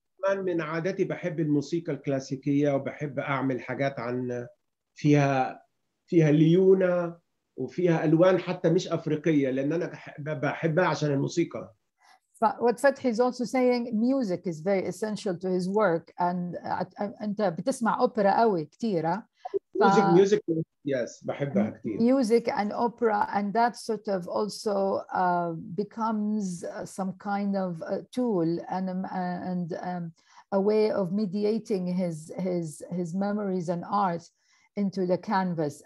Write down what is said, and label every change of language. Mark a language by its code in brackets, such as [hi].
[ar] من من عادتي بحب الموسيقى الكلاسيكية وبحب أعمل حاجات عن فيها ليونة وفيها ألوان حتى مش أفريقية لأن أنا بحبها عشان الموسيقى. [en] But what Fatih is also saying, music is very essential to his work. [ar] And أنت بتسمع أوبرا قوي كتيرة. [en] Music, yes, بحبها كتير. Music and opera, and that sort of also becomes some kind of tool and a way of mediating his memories and art into the canvas.